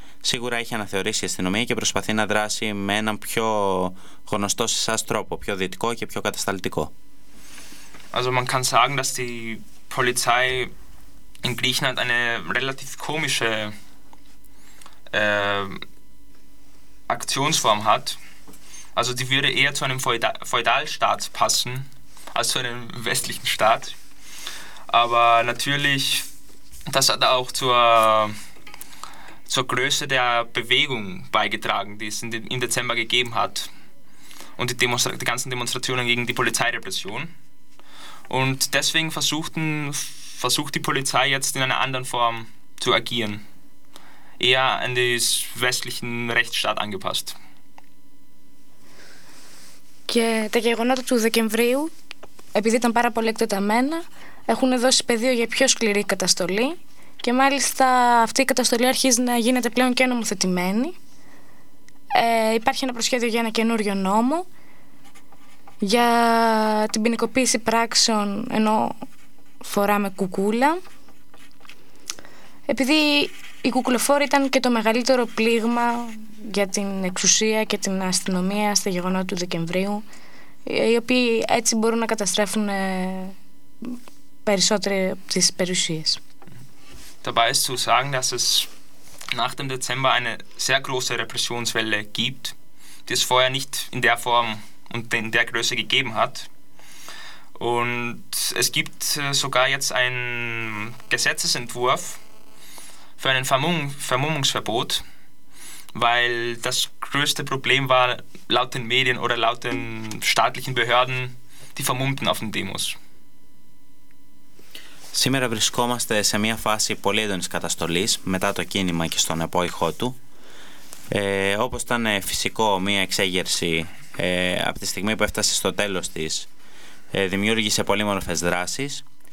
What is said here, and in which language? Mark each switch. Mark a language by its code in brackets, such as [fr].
[el] Σίγουρα έχει αναθεωρήσει η αστυνομία και προσπαθεί να δράσει με έναν πιο γνωστό σε εσάς τρόπο, πιο δυτικό και πιο κατασταλτικό. [de] Also man kann sagen, dass die Polizei in Griechenland eine relativ komische Aktionsform hat. Also die würde eher zu einem Feudalstaat passen als zu einem westlichen Staat. Aber natürlich, das hat auch zur Größe der Bewegung beigetragen, die es im Dezember gegeben hat. Und die ganzen Demonstrationen gegen die Polizeirepression. Und deswegen versucht die Polizei jetzt in einer anderen Form zu agieren. Eher an den westlichen Rechtsstaat angepasst. [el] Και τα γεγονότα του Δεκεμβρίου, επειδή ήταν πάρα πολύ εκτεταμένα, έχουν δώσει πεδίο για πιο σκληρή καταστολή και μάλιστα αυτή η καταστολή αρχίζει να γίνεται πλέον και νομοθετημένη. Υπάρχει ένα προσχέδιο για ένα καινούριο νόμο για την ποινικοποίηση πράξεων ενώ φοράμε κουκούλα. Επειδή οι κουκουλοφόροι ήταν και το μεγαλύτερο πλήγμα για την εξουσία και την αστυνομία στα γεγονότα του Δεκεμβρίου, οι οποίοι έτσι μπορούν να καταστρέφουν περισσότερες τις περιουσίες. [de] Dabei ist zu sagen, dass es nach dem Dezember eine sehr große Repressionswelle gibt, die es vorher nicht in der Form und in der Größe gegeben hat. Und es gibt sogar jetzt einen Gesetzesentwurf für ein Vermummungsverbot, weil das größte Problem war, laut den Medien oder laut den staatlichen Behörden, die Vermummten auf den Demos. [el] Σήμερα βρισκόμαστε σε μια φάση πολύ έντονης καταστολής μετά το κίνημα και στον επόϊχό του. Όπως ήταν φυσικό, μια εξέγερση από τη στιγμή που έφτασε στο τέλος της δημιούργησε πολύμορφες δράσεις.